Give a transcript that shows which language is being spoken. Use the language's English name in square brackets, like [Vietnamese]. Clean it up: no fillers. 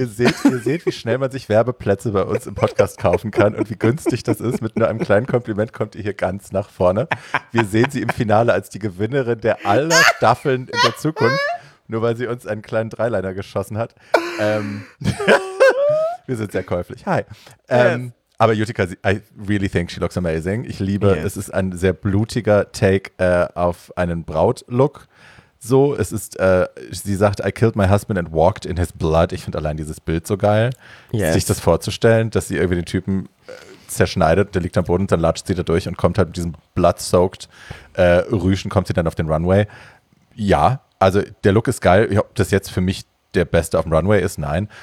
[German] Ihr seht, wie schnell man sich Werbeplätze bei uns im Podcast kaufen kann und wie günstig das ist. Mit nur einem kleinen Kompliment kommt ihr hier ganz nach vorne. Wir sehen sie im Finale als die Gewinnerin der aller Staffeln in der Zukunft, nur weil sie uns einen kleinen Dreiliner geschossen hat. wir sind sehr käuflich. Hi. [English] Aber Utica, I really think she looks amazing. [German] Ich liebe, es ist ein sehr blutiger Take auf einen Brautlook. So, es ist, sie sagt, [English] I killed my husband and walked in his blood. [German] Ich finde allein dieses Bild so geil. [English] Yes. [German] Sich das vorzustellen, dass sie irgendwie den Typen zerschneidet, der liegt am Boden und dann latscht sie da durch und kommt halt mit diesem blood-soaked Rüschen, kommt sie dann auf den Runway. Ja, Also der Look ist geil. Ob das jetzt für mich der Beste auf dem Runway ist, nein.